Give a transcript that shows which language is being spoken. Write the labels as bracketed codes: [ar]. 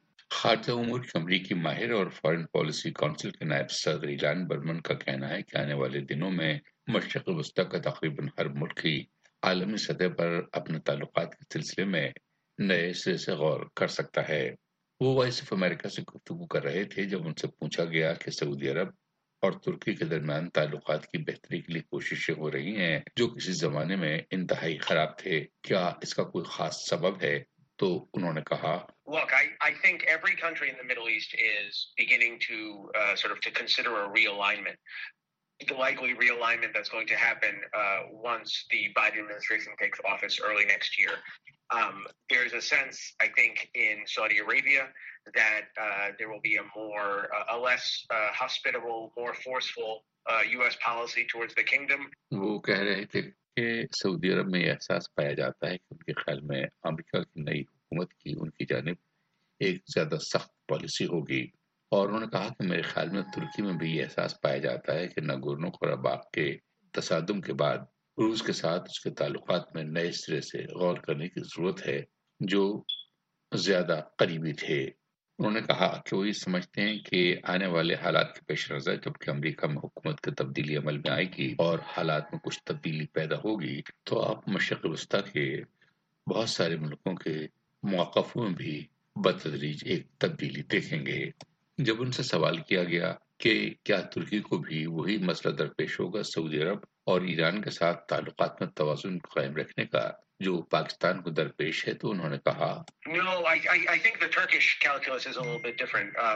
[ur] خارجہ امور کے امریکی ماہر اور فارن پالیسی کونسل کے نائب صدر ایلان برمن کا کہنا ہے کہ آنے والے دنوں میں مشرق وسطی کا تقریباً ہر ملک ہی عالمی سطح پر اپنے تعلقات کے سلسلے میں نئے سرے سے غور کر سکتا ہے۔ وہ وائس آف امریکہ سے گفتگو کر رہے تھے جب ان سے پوچھا گیا کہ سعودی عرب اور ترکی کے درمیان تعلقات کی بہتری کے لیے کوششیں ہو رہی ہیں جو کسی زمانے میں انتہائی خراب تھے، کیا اس کا کوئی خاص سبب ہے؟ تو انہوں نے کہا، [en] Look, I think every country in the Middle East is beginning to sort of to consider a realignment. The likely realignment that's going to happen once the Biden administration takes office early next year. There's a sense, I think, in Saudi Arabia that there will be a less hospitable, more forceful U.S. policy towards the kingdom. [ur] وہ کہہ رہے تھے کہ سعودی عرب میں یہ احساس پایا جاتا ہے کہ ان کے خیال میں امریکہ کی نئی حکومت کی ان کی جانب ایک زیادہ سخت پالیسی ہوگی، اور انہوں نے کہا کہ میرے خیال میں ترکی میں بھی یہ احساس پایا جاتا ہے کہ ناگورنو کاراباخ کے تصادم کے بعد روس کے ساتھ اس کے تعلقات میں نئے سرے سے غور کرنے کی ضرورت ہے جو زیادہ قریبی تھے۔ انہوں نے کہا کہ وہ یہ سمجھتے ہیں کہ آنے والے حالات کے پیش نظر جبکہ امریکہ میں حکومت کی تبدیلی عمل میں آئے گی اور حالات میں کچھ تبدیلی پیدا ہوگی، تو آپ مشرق وسطی کے بہت سارے ملکوں کے موقفوں میں بھی بتدریج ایک تبدیلی دیکھیں گے۔ جب ان سے سوال کیا گیا کہ کیا ترکی کو بھی وہی مسئلہ درپیش ہوگا سعودی عرب اور ایران کے ساتھ تعلقات میں توازن قائم رکھنے کا جو پاکستان کو درپیش ہے، تو انہوں نے کہا، [en] No, I think the Turkish calculus is a little bit different.